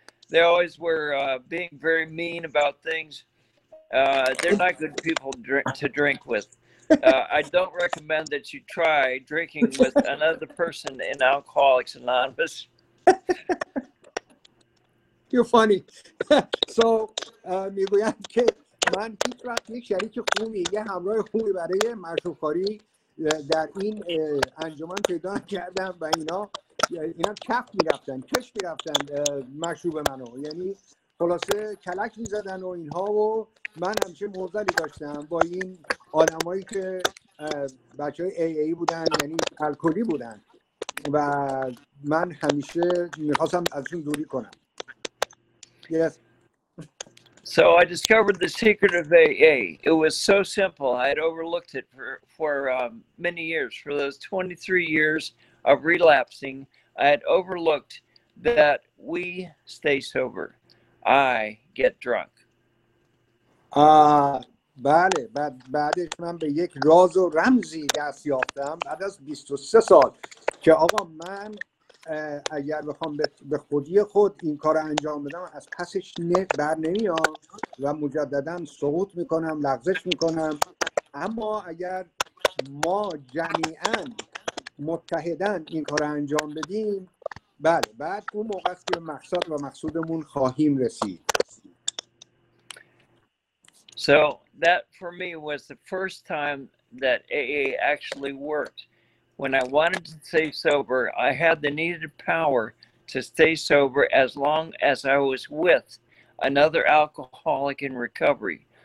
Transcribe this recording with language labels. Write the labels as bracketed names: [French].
[English] They always were being very mean about things. They're not good people to drink with. I don't recommend that you try drinking with another person in Alcoholics Anonymous. You're funny. [Persian] So, میگویم که من هیچ وقت یک شریک خوبی، یه همراه خوبی برای مشروب‌خواری در این انجمن پیدا کردم و اینا کف می‌رفتن، کش می‌رفتن مشروب منو، یعنی خلاصه کلک می‌زدن و اینها، و من همیشه موزلی داشتم با این آدمایی که بچه های ای ای بودن، یعنی الکلی بودن، و من همیشه می‌خواستم ازشون دوری کنم. [English] Yes. So I discovered the secret of AA. It was so simple. I had overlooked it for many years. For those 23 years of relapsing, I had overlooked that we stay sober. I get drunk. [Persian] بله. بعدش من به یک راز و رمزی دست یافتم. بعد از 23 سال که آقا من اگر بخوام به خودی خود این کار رو انجام بدم از پسش بر نمیام و مجدداً سقوط میکنم، لغزش میکنم، اما اگر ما جمعاً متحداً این کار رو انجام بدیم، بله، بعد اون موقع است که مقصد و مقصودمون خواهیم رسید. [English] So that for me was the first time that AA actually worked. When I wanted to stay sober, I had the needed power to stay sober as long as I was with another alcoholic in recovery.